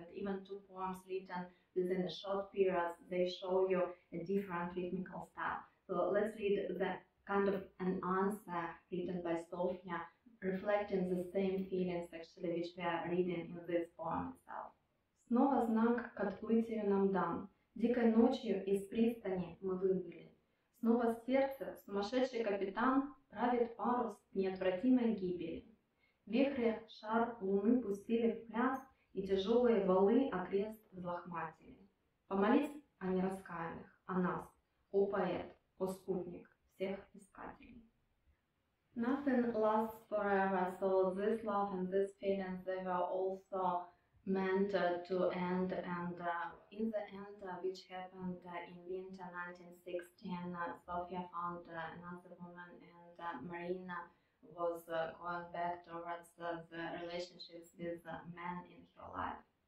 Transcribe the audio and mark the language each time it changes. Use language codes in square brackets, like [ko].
[en] And even two poems written within a short period, they show you a different rhythmical style. So let's read the kind of an answer written by Sofya, reflecting the same feelings actually which we are reading in this poem itself. [ru] Снова знак к отплытию нам дан. Дикой ночью из пристани мы выбыли. Снова сердце, сумасшедший капитан. Правит парус неотвратимой гибели. Вихри шар луны пустили в пляс, и тяжелые валы окрест взлохматили. Помолись о нераскаянных, о нас, о поэт, о спутник всех искателей. [en] Nothing lasts forever, so this love and this feeling, they were also meant to end. And in the end, which happened in winter 1916, Sofya found another woman, and Marina was going back towards the relationships with the men in her life.